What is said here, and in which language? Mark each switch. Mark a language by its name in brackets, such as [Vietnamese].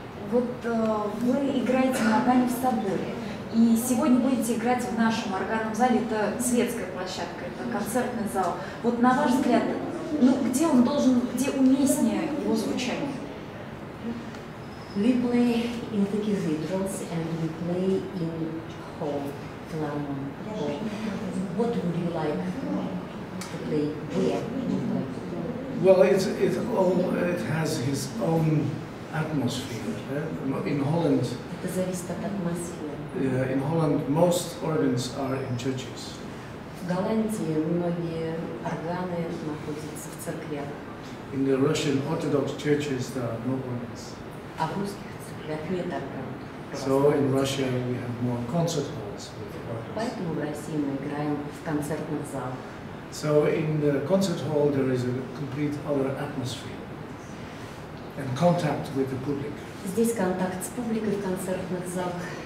[Russian] Вот вы играете на органе в соборе. И сегодня будете играть в нашем органном зале, это светская площадка, это концертный зал. Вот на ваш взгляд, ну где он должен, где уместнее его звучание? [English] We play in the cathedrals and we play in hall, philharmonic hall. What would you like to play where? Well, it has his own atmosphere. In Holland. [Russian] Это зависит от атмосферы. [English] In Holland, most organs are in churches. [Russian] В Голландии многие органы находятся в церквях. [English] In the Russian Orthodox churches, there are no organs. [Russian] А в русских церквях нет органов. [English] So in Russia, we have more concert halls with organs. [Russian] Поэтому в России мы играем в концертных залах. [English] So in the concert hall, there is a complete other atmosphere and contact with the public. [Russian] Здесь контакт с публикой в концертных залах.